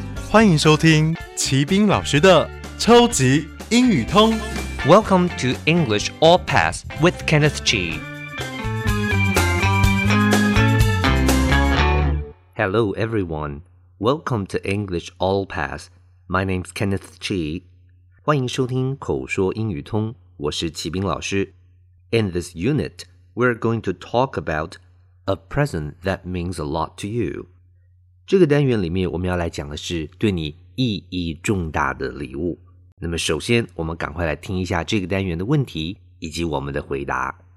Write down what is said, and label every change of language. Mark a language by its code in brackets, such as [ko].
[zh] 欢迎收听齐宾老师的超级英语通。 [en] Welcome to English All Pass with Kenneth G. Hello, everyone. Welcome to English All Pass. My name's Kenneth Chi. [zh] 欢迎收听口说英语通，我是齐宾老师。 [en] In this unit, we're going to talk about a present that means a lot to you. [zh] 这个单元里面我们要来讲的是对你意义重大的礼物。那么首先，我们赶快来听一下这个单元的问题以及我们的回答。